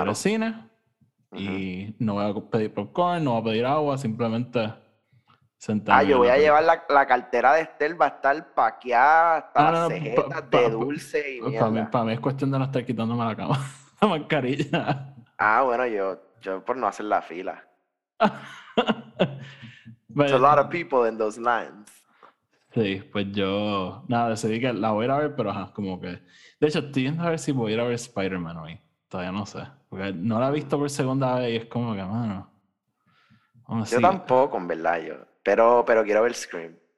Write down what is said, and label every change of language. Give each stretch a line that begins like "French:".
Spanish: voy al cine, uh-huh, y no voy a pedir popcorn, no voy a pedir agua, simplemente... Yo voy a llevar la cartera de Estel, va a estar paqueada hasta las cejetas de dulce y mierda. Para mí es cuestión de no estar quitándome la cama, la mascarilla. Ah, bueno, yo por no hacer la fila.
English: It's a lot of people in those lines.
Spanish: Sí, pues yo, nada, decidí que la voy a ver, pero ajá, como que... De hecho, estoy viendo a ver si voy a ir a ver Spider-Man hoy. Todavía no sé, porque no la he visto por segunda vez y es como que, mano... Yo tampoco, en verdad, yo... Pero quiero ver Scream.